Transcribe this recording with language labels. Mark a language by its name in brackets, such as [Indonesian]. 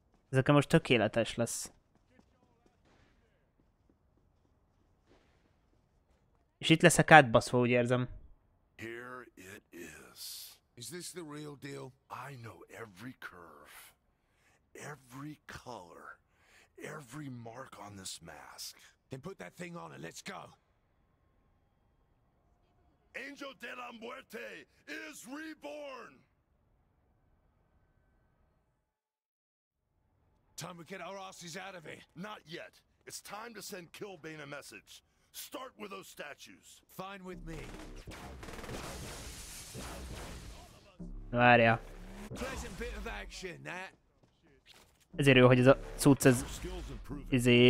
[Hungarian] Ezek most tökéletes lesz. És itt lesz a kád baszva, úgy érzem. [English] Here it is. Is this the real deal? I know every curve, every color, every mark on this mask. Then put that thing on and let's go. Angel de la Muerte is reborn. Time we get our asses out of here. Not yet. It's time to send Kilbane a message. Start with those statues. Fine with me. [Hungarian] Várja. [English] Pleasant bit of action, that. [Hungarian] Ezért jó, hogy ez a cucc ez...